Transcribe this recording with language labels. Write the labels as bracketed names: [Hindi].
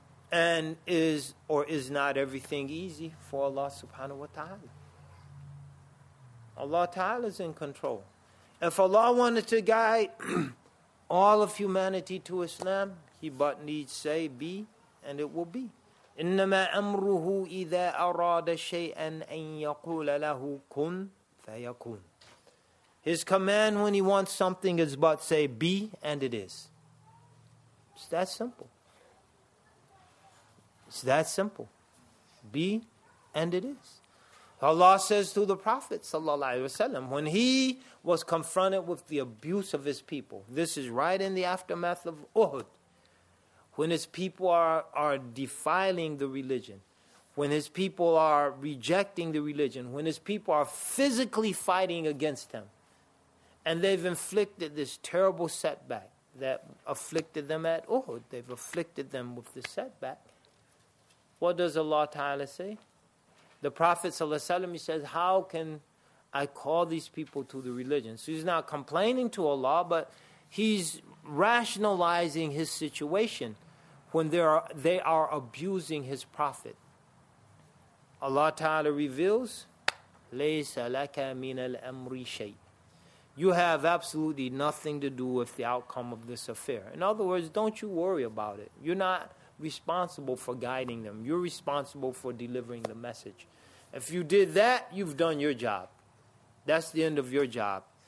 [English] And is or is not everything easy for Allah Subhanahu Wa Ta'ala? Allah Ta'ala is in control. If Allah wanted to guide all of humanity to Islam, he but needs say be, and it will be. [Arabic] إِنَّمَا أَمْرُهُ إِذَا أَرَادَ شَيْئًا أَن يَقُولَ لَهُ كُنْ فَيَكُونَ. [English] His command when he wants something is but say be, and it is. It's that simple. It's that simple. Be, and it is. Allah says to the Prophet sallallahu alaihi wasallam, when he was confronted with the abuse of his people, this is right in the aftermath of Uhud, when his people are defiling the religion, when his people are rejecting the religion, when his people are physically fighting against him, and they've inflicted this terrible setback that afflicted them at Uhud, they've afflicted them with the setback, what does Allah Ta'ala say? The Prophet ﷺ, he says, how can I call these people to the religion? So he's not complaining to Allah, but he's rationalizing his situation when they are abusing his Prophet. Allah Ta'ala reveals, [Arabic] لَيْسَ لَكَ مِنَ الْأَمْرِ شَيْءٍ. [English] You have absolutely nothing to do with the outcome of this affair. In other words, don't you worry about it. You're not responsible for guiding them. You're responsible for delivering the message. If you did that, you've done your job. That's the end of your job.